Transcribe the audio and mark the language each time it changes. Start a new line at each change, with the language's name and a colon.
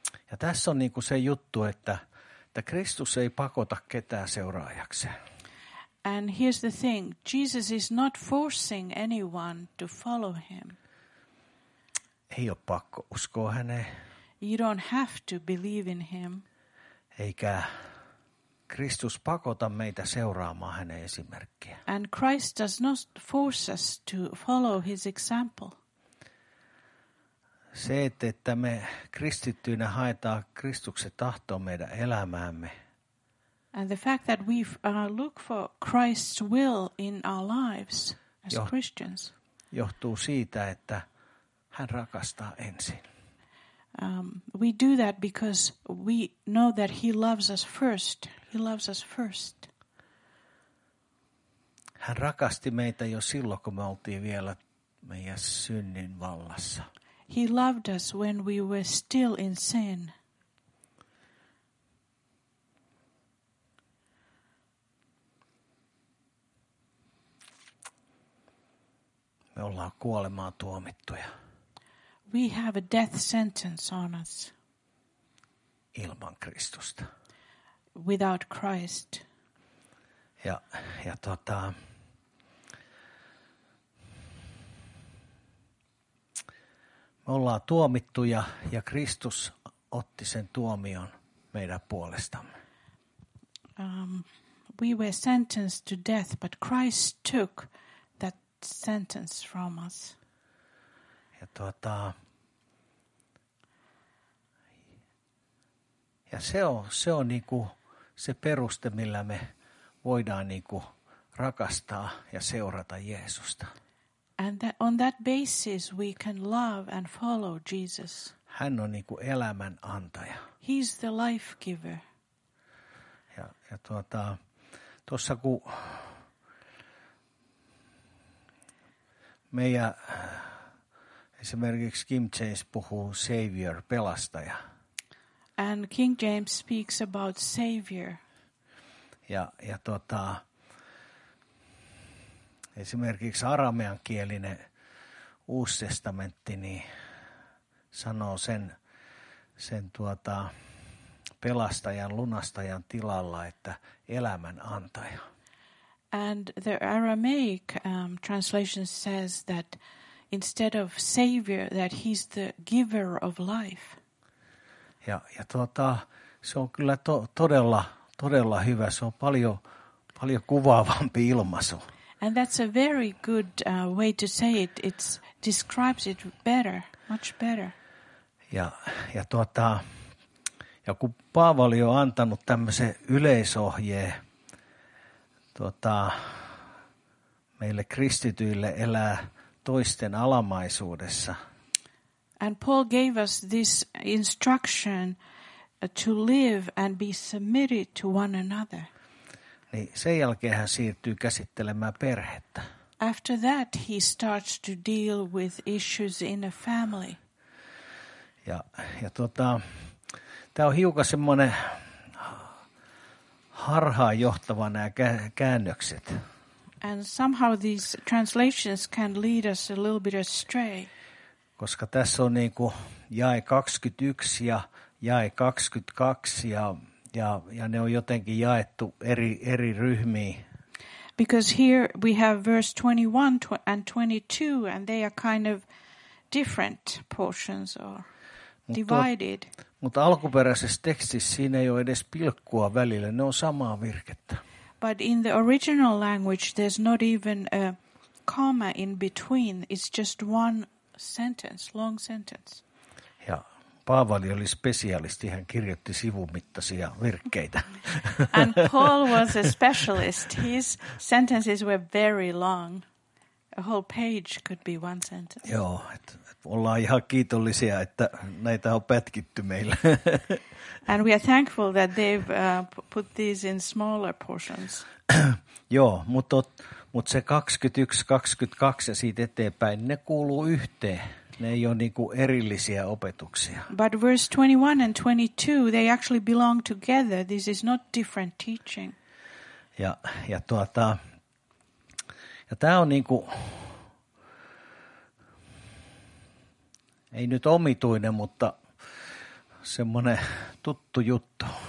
Finnish: Ja tässä on niinku se juttu, että että Kristus ei pakota ketään seuraajaksi.
English: And here's the thing, Jesus is not forcing anyone to follow him.
Finnish: Ei ole pakko uskoa häneen.
English: You don't have to believe in him.
Finnish: Eikä Kristus pakota meitä seuraamaan hänen esimerkkiä.
English: And Christ does not force us to follow his example.
Finnish: Se, että me kristittyinä haetaan Kristuksen tahtoa meidän elämäämme.
English: And the fact that we look for Christ's will in our lives as Christians.
Finnish: Johtuu siitä, että hän rakastaa ensin.
English: We do that because we know that he loves us first. He loves us first.
Finnish: Hän rakasti meitä jo silloin, kun me oltiin vielä meidän synnin vallassa.
English: He loved us when we were still in sin.
Finnish: Me ollaan kuolemaan tuomittuja.
English: We have a death sentence on us.
Finnish: Ilman Kristusta.
English: Without Christ.
Finnish: Ja tota, me ollaan tuomittuja ja Kristus otti sen tuomion meidän puolestamme.
English: We were sentenced to death, but Christ took that sentence from us.
Finnish: Ja tota, ja se on niinku se peruste, millä me voidaan niinku rakastaa ja seurata Jeesusta.
English: And that, on that basis we can love and follow Jesus.
Finnish: Hän on niinku elämän antaja.
English: He's the life giver.
Finnish: Ja tuota, tuossa kun meidän esimerkiksi Kim James puhuu savior, pelastaja.
English: And King James speaks about savior.
Finnish: Ja tota, esimerkiksi aramean kielinen Uusi testamentti niin sanoo sen tuota pelastajan, lunastajan tilalla, että elämän antaja.
English: And the Aramaic translation says that instead of savior, that he's the giver of life.
Finnish: Ja tuota, se on kyllä todella hyvä. Se on paljon kuvaavampi ilmaisu.
English: And that's a very good way to say it. It describes it better, much better.
Finnish: Ja tuota, ja kun Paavali on antanut tämmöisen yleisohjeen tuota, meille kristityille elää toisten alamaisuudessa.
English: And Paul gave us this instruction to live and be submitted to one another.
Finnish: Niin sen jälkeen hän siirtyy käsittelemään perhettä.
English: After that he starts to deal with issues in a family.
Finnish: Ja tota, tää on hiukan semmoinen harhaan johtava nämä käännökset.
English: And somehow these translations can lead us a little bit astray.
Finnish: Koska tässä on niinku jae 21 ja jae 22 ja ne on jotenkin jaettu eri ryhmiin.
English: Because here we have verse 21 and 22 and they are kind of different portions or divided.
Finnish: Mutta alkuperäisessä tekstissä siinä ei ole edes pilkkua välillä, ne on samaa virkettä.
English: But in the original language there's not even a comma in between, it's just one sentence, long sentence.
Finnish: Ja Paavali oli spesialisti, hän kirjoitti sivumittaisia virkkeitä.
English: And Paul was a specialist. His sentences were very long. A whole page could be one sentence.
Finnish: Joo, et ollaan ihan kiitollisia, että näitä on pätkitty meille.
English: And we are thankful that they've put these in smaller portions.
Finnish: Joo, mutta se 21, 22 ja siitä eteenpäin, ne kuuluu yhteen. Ne ei ole niinku erillisiä opetuksia.
English: But verse 21 and 22, they actually belong together. This is not different teaching.
Finnish: Ja tuota, ja tämä on niinku, ei nyt omituinen, mutta semmoinen tuttu juttu.